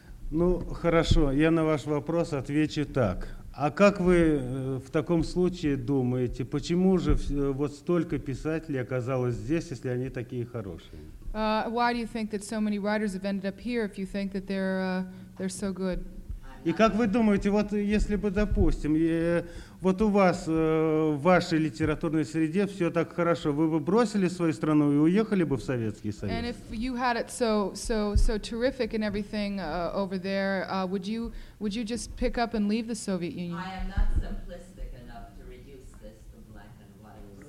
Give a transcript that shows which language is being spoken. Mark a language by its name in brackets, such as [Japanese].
[Russian] Ну, хорошо, я на ваш вопрос отвечу так. А как вы в таком случае думаете, почему же вот столько писателей оказалось здесь, если они такие хорошие? [English] Why do you think that so many writers have ended up here if you think that they're so good? [Russian] И как вы думаете, вот если бы, допустим, вот у вас в вашей литературной среде все так хорошо, вы бы бросили свою страну и уехали бы в Советский Союз? [English] And if you had it so terrific and everything over there, would you just pick up and leave the Soviet Union? I am not simplistic enough to reduce this to black and white.